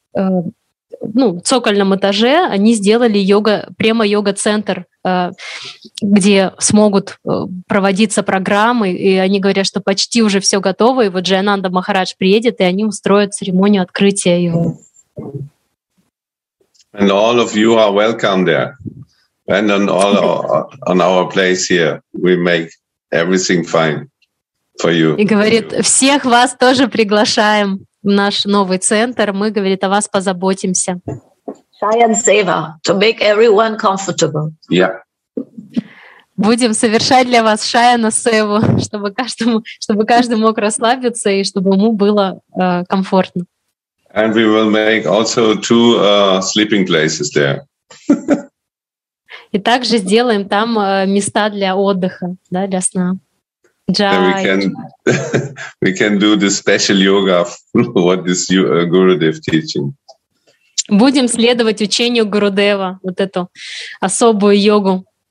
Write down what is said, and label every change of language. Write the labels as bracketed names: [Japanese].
[Russian] ну, в цокольном этаже они сделали йога, према-йога-центр, где смогут проводиться программы, и они говорят, что почти уже все готово, и вот Джайананда Махарадж приедет, и они устроят церемонию открытия его. [English] And all of you are welcome there. And on all on our place here, we make everything fine for you. [Russian] И говорит, всех вас тоже приглашаем. Наш новый центр, мы, говорит, о вас позаботимся. [English] Science saver, to make everyone comfortable. Yeah. [Russian] Будем совершать для вас Шаяна Севу, чтобы каждый мог расслабиться и чтобы ему было комфортно. [English] And we will make also two sleeping places there. [Russian] И также сделаем там места для отдыха, да, для сна. [English] Then we can do the special yoga, what this Gurudev teaching. [Russian] Будем следовать учению Гурудева, вот эту особую йогу.